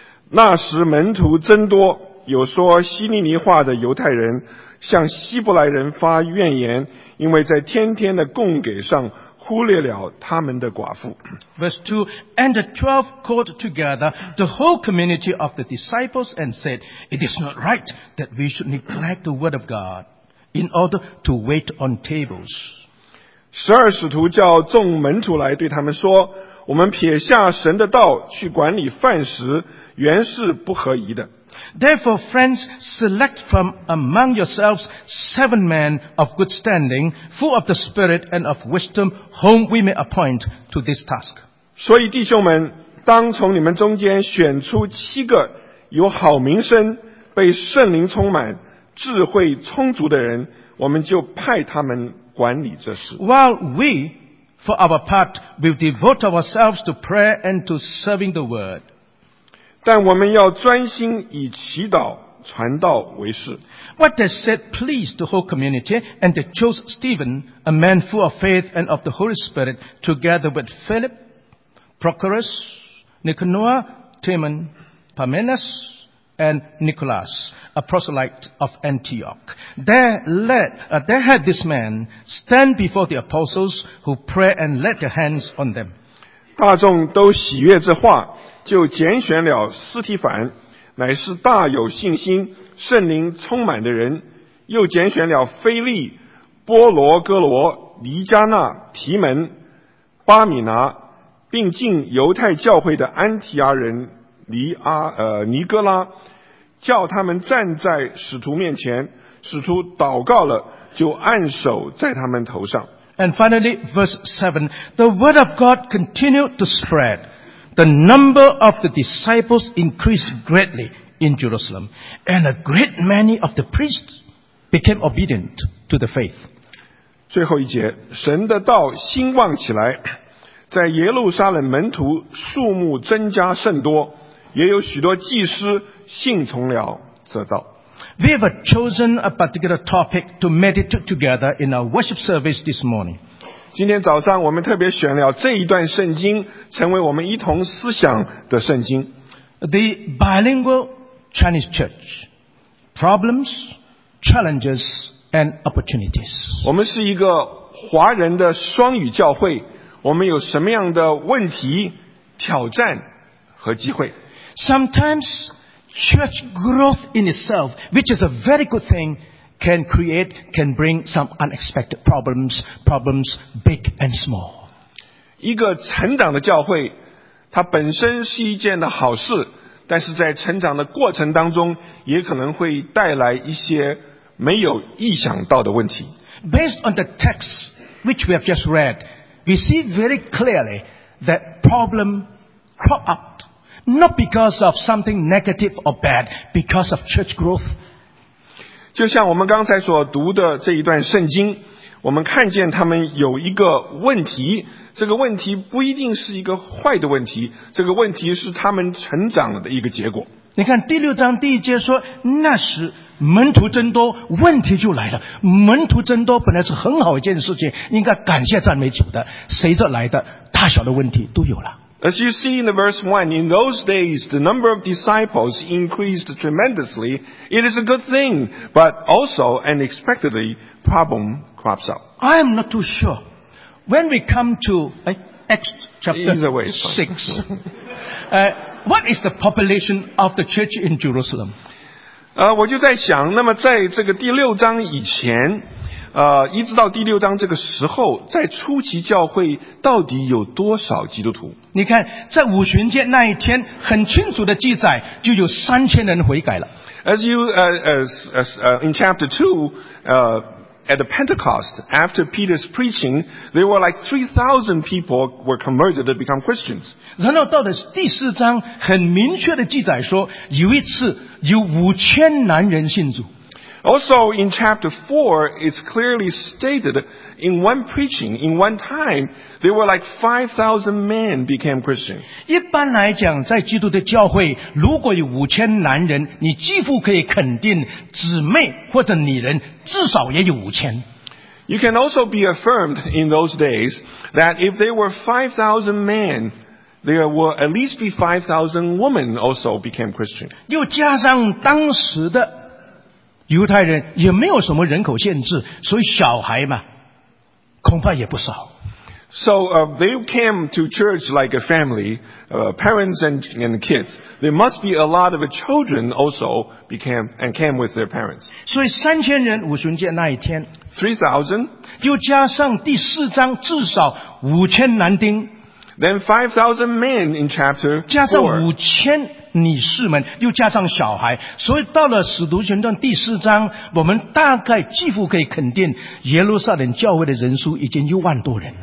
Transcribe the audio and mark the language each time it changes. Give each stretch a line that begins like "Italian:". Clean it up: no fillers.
Chinese: 那时门徒增多，有说希利尼话的犹太人向希伯来人发怨言，因为在天天的供给上忽略了他们的寡妇。
English: Verse 2, And the 12 called together the whole community of the disciples and said, It is not right that we should neglect the word of God in order to wait on tables.
Chinese: 十二使徒叫众门徒来对他们说，我们撇下神的道去管理饭食，原是不合宜的。
English: Therefore, friends, select from among yourselves 7 men of good standing, full of the Spirit and of wisdom, whom we may appoint to this task.
Chinese: 所以弟兄们，当从你们中间选出七个有好名声、被圣灵充满、智慧充足的人，我们就派他们管理这事。
English: While we, for our part, will devote ourselves to prayer and to serving the word.
Chinese: 但我们要专心以祈祷传道为事。
English: What they said pleased the whole community, and they chose Stephen, a man full of faith and of the Holy Spirit, together with Philip, Prochorus, Nicanor, Timon, Parmenas, and Nicholas, a proselyte of Antioch. They had this man stand before the apostles who prayed and laid their hands on them.
Chinese: 大众都喜悦这话，就拣选了斯提凡，乃是大有信心、圣灵充满的人；又拣选了腓力、波罗哥罗、尼加纳、提门、巴米拿，并进犹太教会的安提阿人尼哥拉，叫他们站在使徒面前。使徒祷告了，就按手在他们头上。
English: And finally, verse 7, the word of God continued to spread. The number of the disciples increased greatly in Jerusalem, and a great many of the priests became obedient to the faith.
Chinese: 最后一节，神的道兴旺起来，在耶路撒冷门徒数目增加甚多，也有许多祭司信从了这道。
English: We have chosen a particular topic to meditate together in our worship service this morning.
Chinese: 今天早上我们特别选了这一段圣经成为我们一同思想的圣经。
English: The bilingual Chinese church, problems, challenges, and opportunities.
Chinese: 我们是一个华人的双语教会，我们有什么样的问题、挑战和机会？
English: Sometimes church growth in itself, which is a very good thingcan create, can bring some unexpected problems, big and small.
Chinese: 一个成长的教会，它本身是一件的好事，但是在成长的过程当中，也可能会带来一些没有意想到的问题。
English: Based on the text which we have just read, we see very clearly that problem crop up not because of something negative or bad, because of church growth.
Chinese: 就像我们刚才所读的这一段圣经，我们看见他们有一个问题，这个问题不一定是一个坏的问题，这个问题是他们成长的一个结果。你看第六章第一节说，那时门徒增多，问题就来了。门徒增多本来是很好一件事情，应该感谢赞美主的，随着来的大小的问题都有了。
English: As you see in the verse 1, in those days the number of disciples increased tremendously. It is a good thing, but also unexpectedly problem crops up. I am not too sure. When we come to Acts chapter 6, what is the population of the church in Jerusalem?
Chinese: 我就在想，那么在这个第六章以前，一直到第六章这个时候，在初期教会到底有多少基督徒？你看，在五旬节那一天，很清楚的记载，就有3000人悔改了。
English: As you in chapter 2, at the Pentecost, after Peter's preaching, there were like 3,000 people were converted to become Christians.
Chinese: 然后到了第四章，很明确的记载说，有一次有5000男人信主。
English: Also, in chapter 4, it's clearly stated in one preaching, in one time, there were like 5,000 men became Christian.
Chinese: 一般来讲，在基督的教会，如果有5000男人，你几乎可以肯定姊妹或者女人至少也有5000。
English: You can also be affirmed in those days that if there were 5,000 men, there will at least be 5,000 women also became Christian.
Chinese: 又加上当时的犹太人也没有什么人口限制，所以小孩嘛恐怕也不少。
English: So they came to church like a family, parents and kids. There must be a lot of children also came with their parents.
Chinese: 所以三千人五旬节那一天
English: 3,000
Chinese: 又加上第四章至少5000男丁
English: Then 5,000 men in chapter 4
Chinese: 加上5000女士们，又加上小孩，所以到了使徒行传第四章，我们大概几乎可以肯定耶路撒冷教会的人数已经10,000多人